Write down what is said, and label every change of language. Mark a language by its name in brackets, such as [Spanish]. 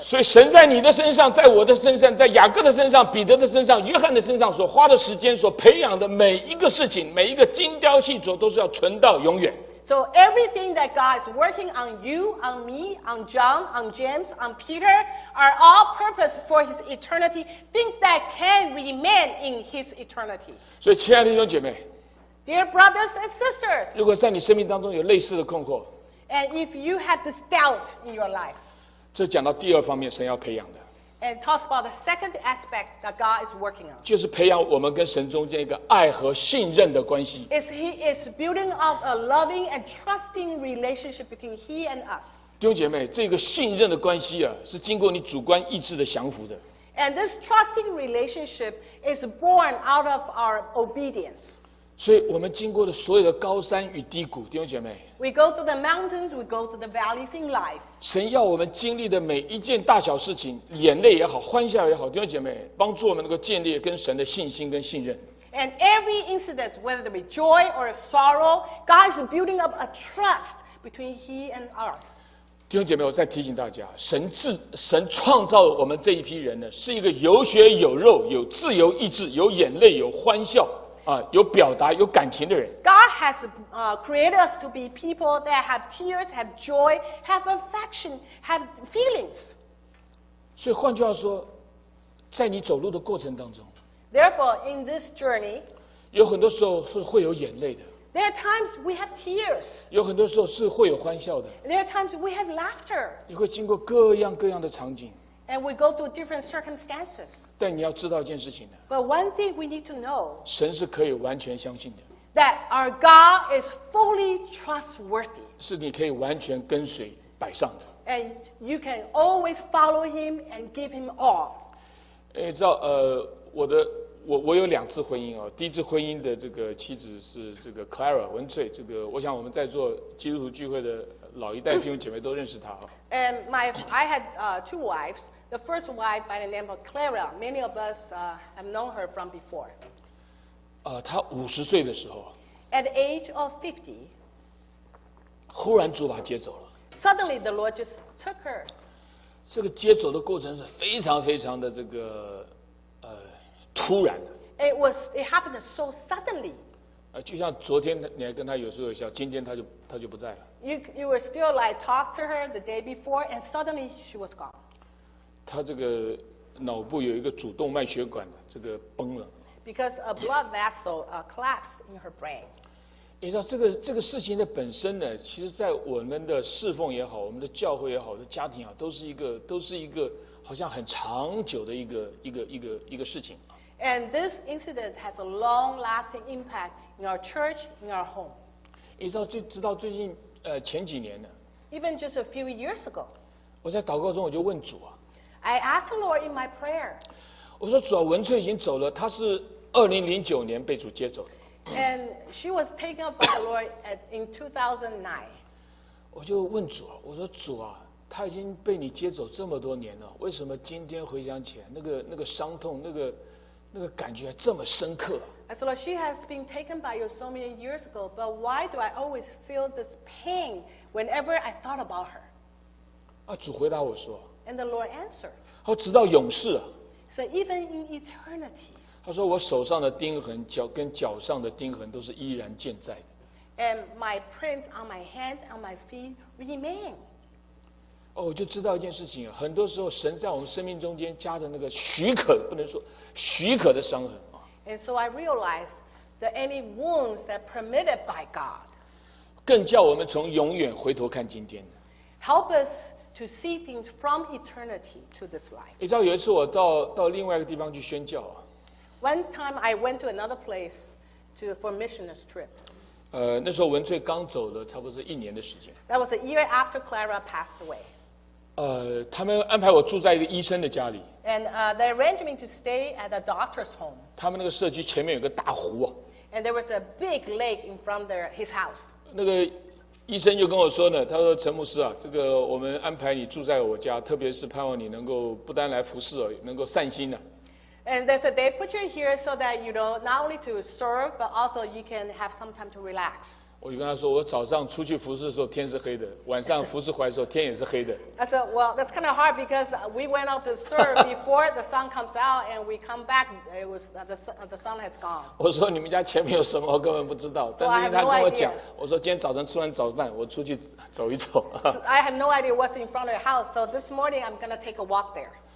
[Chinese] 所以神在你的身上，在我的身上，在雅各的身上，彼得的身上，约翰的身上所花的时间，所培养的每一个事情，每一个精雕细琢，都是要存到永远。 [English] So everything that God is working on you, on me, on John, on James, on Peter, are all purposed for His eternity, things that can remain in His eternity. [Chinese] 所以亲爱的弟兄姐妹， [English] Dear brothers and sisters, [Chinese] 如果在你生命当中有类似的困惑， [English] And if you have this doubt in your life, [Chinese] 这讲到第二方面神要培养的， [English] And talks about the second aspect that God is working on. [Chinese] 就是培养我们跟神中间一个爱和信任的关系。 [English] Is He is building up a loving and trusting relationship between He and us. [Chinese] 弟兄姐妹，这个信任的关系啊，是经过你主观意志的降服的。 [English] And this trusting relationship is born out of our obedience. [Chinese] 所以我们经过的所有的高山与低谷，弟兄姐妹。 [English] We go through the mountains, we go through the valleys in life. [Chinese] 神要我们经历的每一件大小事情，眼泪也好，欢笑也好，弟兄姐妹，帮助我们能够建立跟神的信心跟信任。 [English] And every incident, whether it be joy or sorrow, God is building up a trust between He and us. [Chinese] 弟兄姐妹，我再提醒大家，神创造我们这一批人呢，是一个有血有肉、有自由意志、有眼泪、有欢笑。有表达有感情的人。 [English] God has created us to be people that have tears, have joy, have affection, have feelings. [Chinese] 所以换句话说，在你走路的过程当中 [English] ，Therefore, in this journey, [Chinese] 有很多时候是会有眼泪的。 [English] There are times we have tears. [Chinese] 有很多时候是会有欢笑的。 [English] There are times we have laughter. [Chinese] 你会经过各样各样的场景。 [English] And we go through different circumstances. [Chinese] 但你要知道一件事情的。 [English] But one thing we need to know. [Chinese] 神是可以完全相信的。 [English] That our God is fully trustworthy. [Chinese] 是你可以完全跟随摆上的。 [English] And you can always follow Him and give Him all. [Chinese] 你知道我有两次婚姻哦，第一次婚姻的这个妻子是这个 Clara 文翠，这个我想我们在座基督徒聚会的老一代弟兄姐妹都认识她哦。 [English] And I had two wives. The first wife by the name of Clara. Many of us have known her from before. [Chinese] 她五十岁的时候。 [English] At the age of 50. [Chinese] 忽然主把她接走了。 [English] Suddenly the Lord just took her. [Chinese] 这个接走的过程是非常非常的这个突然。 [English] It happened so suddenly. [Chinese] 就像昨天你还跟她有说有笑，今天她就不在了。 [English] You were still like talk to her the day before and suddenly she was gone. [Chinese] 她这个脑部有一个主动脉血管这个崩了。 [English] Because a blood vessel collapsed in her brain. [Chinese] 你知道这个事情的本身呢，其实在我们的侍奉也好，我们的教会也好，的家庭啊，都是一个好像很长久的一个事情。 [English] And this incident has a long-lasting impact in our church, in our home. [Chinese] 一直到最近前几年呢。 [English] Even just a few years ago. [Chinese] 我在祷告中我就问主啊。 [English] I asked the Lord in my prayer. [Chinese] 我说主啊，文翠已经走了，她是2009年被主接走的。 [English] And she was taken up by the Lord in 2009. [Chinese] 我就问主啊，我说主啊，她已经被你接走这么多年了，为什么今天回想起来那个伤痛那个感觉这么深刻、 [English] 啊、I thought she has been taken by you so many years ago, but why do I always feel this pain whenever I thought about her? [Chinese] 啊，主回答我说。 [English] And the Lord answered. [Chinese] 好，直到永世、啊。 [English] So even in eternity. [Chinese] 他说我手上的钉痕，跟脚上的钉痕都是依然健在的。 [English] And my prints on my hands and my feet remain. [Chinese] 哦，我就知道一件事情，很多时候神在我们生命中间加的那个许可，不能说许可的伤痕。 [English] And so I realized that any wounds that permitted by God. [Chinese] 更叫我们从永远回头看今天的。 [English] Help us to see things from eternity to this life. [Chinese] 你知道有一次我到另外一个地方去宣教啊。 [English] One time I went to another place for missionary trip. [Chinese] 那时候文翠刚走了差不多是一年的时间。 [English] That was a year after Clara passed away. [Chinese] 他们安排我住在一个医生的家里。 [English] And they arranged me to stay at a doctor's home. [Chinese] 他们那个社区前面有个大湖啊。 [English] And there was a big lake in front of his house. [Chinese] 那个医生就跟我说呢，他说陈牧师啊，这个我们安排你住在我家，特别是盼望你能够不单来服侍，能够散心呢、啊。 [English] And they said they put you here so that you know not only to serve but also you can have some time to relax. [Chinese] 我就跟他说，我早上出去服侍的时候天是黑的，晚上服侍回来的时候天也是黑的。 [English] I said, well, that's kind of hard because we went out to serve before the sun comes out and we come back, it was the sun has gone. [Chinese] 我说你们家前面有什么，我根本不知道。但是他跟我讲， [English] so no、 [Chinese] 我说今天早晨吃完早饭，我出去走一走。 [English] So、I have no idea what's in front of your house, so this morning I'm gonna take a walk there.